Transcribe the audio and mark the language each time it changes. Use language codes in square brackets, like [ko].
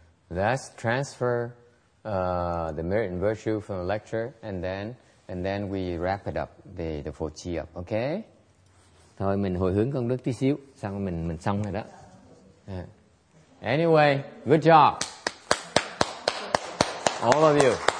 [en] Let's transfer the merit and virtue from the lecture, and then we wrap it up the four chi up. Okay. [vi] Thôi mình hồi hướng công đức tí xíu, xong mình xong rồi đó. [en] Anyway, good job, all of you.